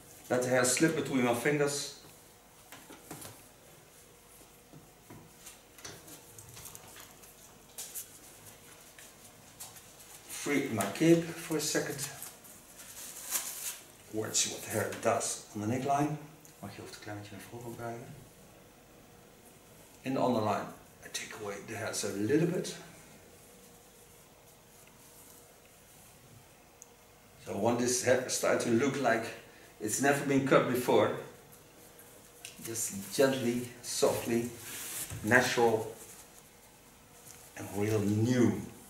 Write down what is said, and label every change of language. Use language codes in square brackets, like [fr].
[en] Let the hair slip between my fingers. Free my cape for a second. Watch what the hair does on the neckline. [nl] Mag je over het kleintje naar voren brengen. [en] In the underline, I take away the hairs a little bit. So I want this hair start to look like it's never been cut before. Just gently, softly, natural, and real new.